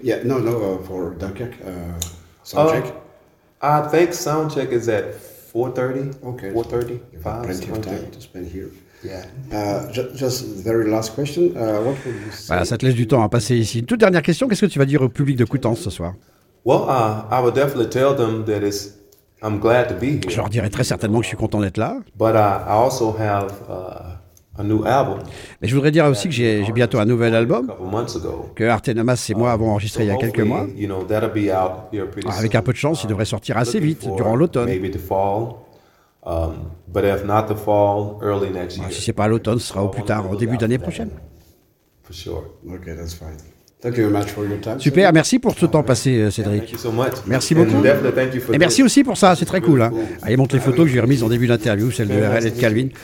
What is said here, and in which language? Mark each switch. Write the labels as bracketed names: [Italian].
[English] Yeah, no, for Dunkirk, soundcheck. I think soundcheck is at 4:30. Okay. 4:30, 5, plenty of time to spend here. Yeah. Just very last question. What would you say? [French] Voilà, ça te laisse du temps à passer ici. Une toute dernière question. Qu'est-ce que tu vas dire au public de Coutances ce soir? [English] I would definitely tell them that it's I'm glad to be here. [French] Je leur dirais très certainement que je suis content d'être là. [English] But I also have a new album. [French] Mais je voudrais dire aussi que j'ai bientôt un nouvel album que Artenamas et moi avons enregistré il y a quelques mois. [English] You know, that'll be out here pretty soon. [French] Avec un peu de chance, il devrait sortir assez vite, durant l'automne. [English] Maybe the fall. But if not the fall, early next year. [French] Si c'est pas l'automne, ce sera au plus tard, au début d'année prochaine. [English] For sure. Okay, that's fine. Thank you very much for your time. [French] Super, merci pour tout le temps passé, Cédric. [English] Thank you so much. [French] Merci beaucoup. [English] And definitely thank you for [French] et merci aussi pour ça, c'est très cool. Hein. Allez, montre les photos que j'ai remises en début d'interview, celles de RL et de Calvin.